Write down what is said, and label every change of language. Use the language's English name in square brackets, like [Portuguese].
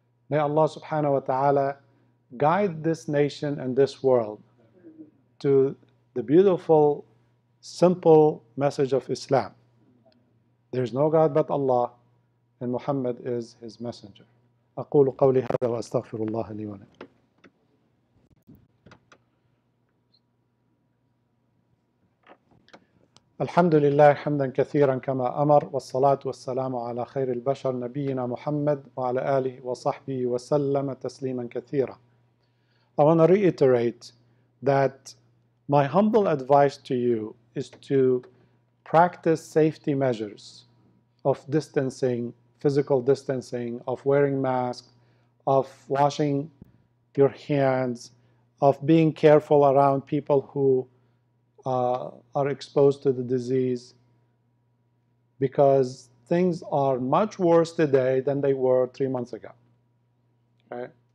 [English] May Allah subhanahu wa ta'ala guide this nation and this world to the beautiful, simple message of Islam. There is no God but Allah, and Muhammad is his messenger. [Arabic] أقول قولي هذا وأستغفر الله لي ولكم. الحمد لله حمدا كثيرا كما أمر والصلاة والسلام على خير البشر نبينا محمد وعلى آله وصحبه وسلم تسليما كثيرا. [English] I want to reiterate that my humble advice to you is to practice safety measures of distancing, physical distancing, of wearing masks, of washing your hands, of being careful around people who are exposed to the disease, because things are much worse today than they were 3 months ago. Okay?